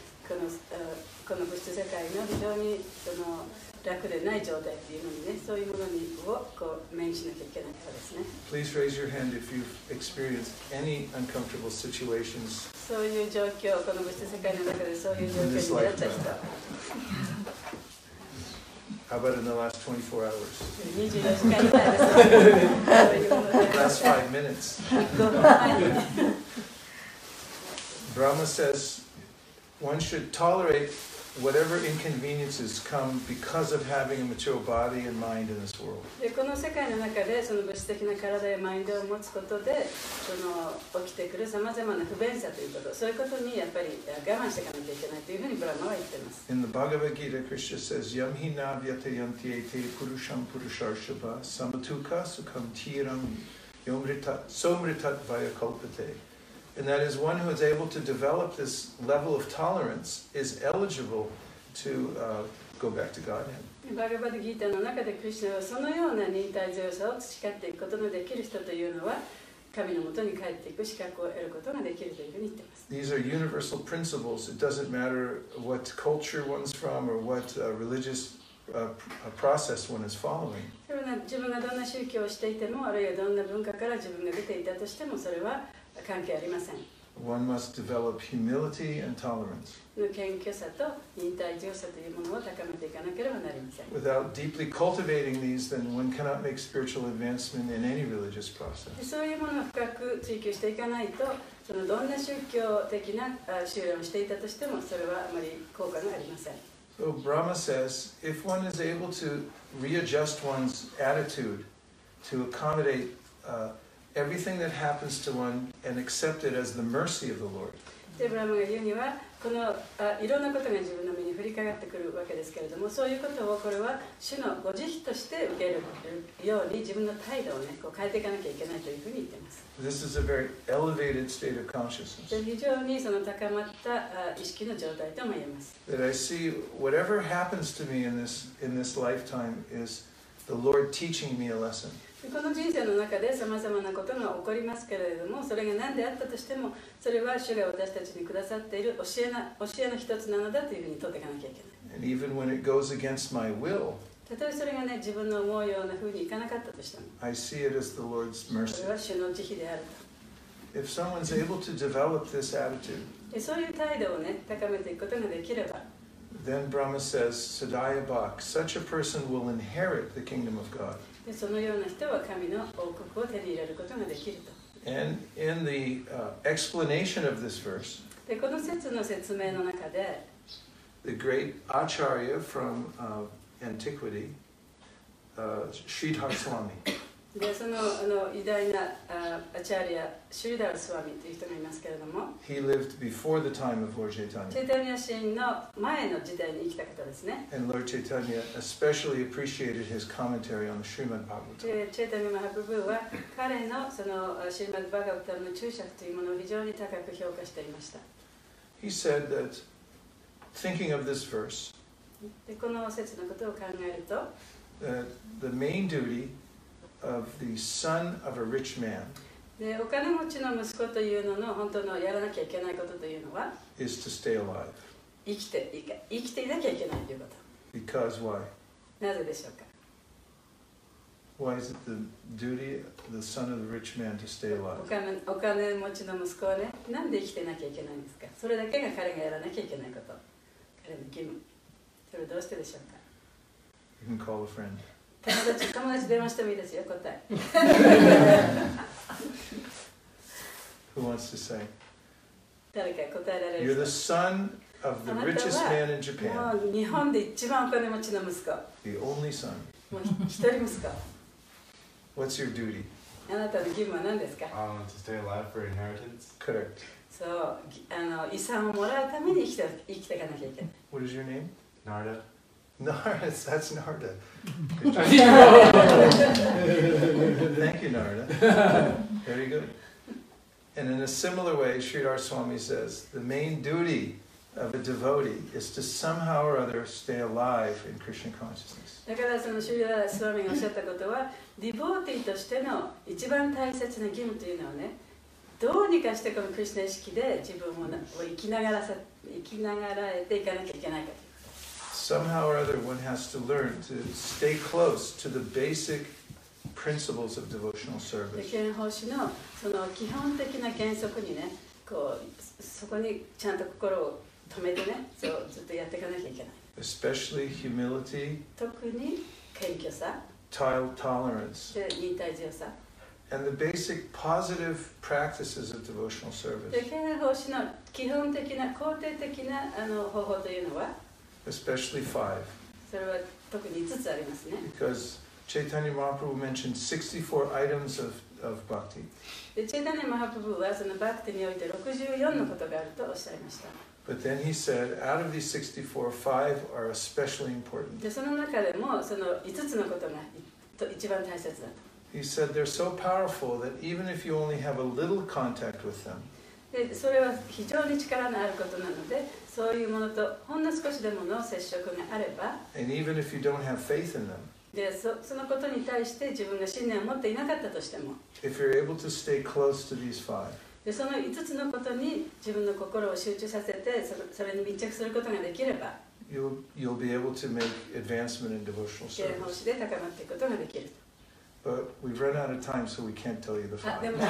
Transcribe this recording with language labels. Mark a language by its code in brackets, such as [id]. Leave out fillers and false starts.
[ja] この物質世界の非常にその楽でない状態っていうのにね、そういうものにをこう面しなきゃいけないからですね。 [en] Please raise your hand if you've experienced any uncomfortable situations. [ja] そういう状況、この物質世界の中でそういう状況になった人。 [en] How about in the last 24 hours? last 5 minutes. Brahma says one should tolerate whatever inconveniences come because of having a material body and mind in this world. [ja] この世界の中でその物質的な体やマインドを持つことで、その起きてくるさまざまな不便さということ、そういうことにやっぱり我慢していかなきゃいけないというふうにブラマは言っています。 [en] In the Bhagavad Gita, Krishna says, [sa] "Yam hi na vyatayante te purusham purusharshava samatuka sukham tiram somritat vayakalpate." [en] And that is one who is able to develop this level of tolerance is eligible to go back to Godhead. [ja] バガヴァッド・ギータの中でクリシュナはそのような忍耐強さを培っていくことのできる人というのは神のもとに帰っていく資格を得ることができるというふうに言っています。 [en] These are universal principles. It doesn't matter what culture one's from or what religious process one is following. [ja] それは自分がどんな宗教をしていても、あるいはどんな文化から自分が出ていたとしても、それは関係ありません。 [en] One must develop humility and tolerance. [ja] 謙虚さと忍耐強さというものを高めていかなければなりません。 [en] Without deeply cultivating these, then one cannot make spiritual advancement in any religious process. [ja] そういうものを深く追求していかないと、そのどんな宗教的な修練をしていたとしても、それはあまり効果がありません。 [en] So Brahma says, if one is able to readjust one's attitude to accommodate everything that happens to one and accept it as the mercy of the Lord. [ja] でブラムが言うには、このいろんなことが自分の身に降りかかってくるわけですけれども、そういうことをこれは主のご慈悲として受けるように自分の態度をね、こう変えていかなきゃいけないというふうに言っています。 [en] This is a very elevated state of consciousness. [ja] 非常にその高まった意識の状態とも言えます。 [en] That I see whatever happens to me in this lifetime is the Lord teaching me a lesson. [ja] この人生の中でさまざまなことが起こりますけれども、それが何であったとしても、それは主が私たちにくださっている教えの一つなのだというふうに取っていかなきゃいけない。 [en] And even when it goes against my will, [ja] たとえそれがね、自分の思うようなふうにいかなかったとしても、 [en] I see it as the Lord's mercy. [ja] それは主の慈悲であると。 [en] If someone's able to develop this attitude, [ja] そういう態度をね、高めていくことができれば、 [en] then Brahma says, Sadaya Bhak, such a person will inherit the kingdom of God. [ja] でそのような人は神の王国を手に入れることができると。 [en] And in the explanation of this verse, [ja] でこの説の説明の中で、 [en] the great Acharya from antiquity, Sridhar Swami. [ja] でその偉大なアチャリア、シュリダラスワミという人がいますけれども、 [en] He lived before the time of Lord Chaitanya. [ja] チェタニア神の前の時代に生きた方ですね。 [en] And Lord Chaitanya especially appreciated his commentary on the Srimad Bhagavatam. [ja] チェタニア・マハプブーは彼のそのシリマド・バガヴァタムの注釈というものを非常に高く評価していました。 [en] He said that, thinking of this verse, [ja] でこの説のことを考えると、 [en] the main dutyOf the son of a rich man, [ja] でお金持ちの息子というのの本当のやらなきゃいけないことというのは [en] is to stay alive. [ja] 生きていなきゃいけないということ。 [en] Because why? [ja] なぜでしょうか。 [en] Why is it the duty of the son of the rich man to stay alive? [ja] お金持ちの息子はね、なんで生きてなきゃいけないんですか。それだけが彼がやらなきゃいけないこと。彼の義務。それどうしてでしょうか。 [en] You can call a friend. [ja] 友達電話してもいいですよ、答え。 [en] Who wants to say? [ja] 誰か答えられる人。 [en] You're the son of the richest man in Japan. [ja] もう日本で一番お金持ちの息子。 [en] The only son. [ja] もう一人息子。 [en] What's your duty? [ja] あなたの義務は何ですか? [en] To stay alive for inheritance. Correct. [ja] そう、遺産をもらうために生きていかなきゃいけない。 [en] What is your name? Narada. Narada, that's Narada. Thank you, Narada. Very good. And in a similar way, Sridhar Swami says, the main duty of a devotee is to somehow or other stay alive in Krishna consciousness. [ja] だからそのShridhar Swamiがおっしゃったことは、ディボーティーとしての一番大切な義務というのはね、どうにかしてこのクリシュナ意識で自分を生きながらさ生きながら得ていかなきゃいけないかと。 [en] Somehow or other, one has to learn to stay close to the basic principles of devotional service. [ja] 剣法師のその基本的な原則にね、こうそこにちゃんと心を止めてね、そうずっとやっていかなきゃいけない。 [en] Especially humility. [ja] 特に謙虚さ。 [en] Tolerance. [ja] で忍耐強さ。 [en] And the basic positive practices of devotional service. [ja] 剣法師の基本的な肯定的なあの方法というのは。 [en] Especially five. [ja] それは特に5つありますね。 [en] Because Chaitanya Mahaprabhu mentioned 64 items of bhakti. [ja] Chaitanya Mahaprabhu はそのバクティにおいて64のことがあるとおっしゃいました。 [en] But then he said, out of these 64, five are especially important. [ja] でその中でもその5つのことが一番大切だと。 [en] He said they're so powerful that even if you only have a little contact with them. [ja] でそれは非常に力のあることなので、そういうものとほんの少しでもの接触があれば、 [en] And even if you don't have faith in them, [ja] でそのことに対して自分が信念を持っていなかったとしても、 [en] if you're able to stay close to these five, [ja] でその5つのことに自分の心を集中させて、それに密着することができれば、 [en] you'll be able to make advancement in devotional service. [ja] 啓蒙して高まっていくことができると。 [en] But we've run out of time, so we can't tell you the five.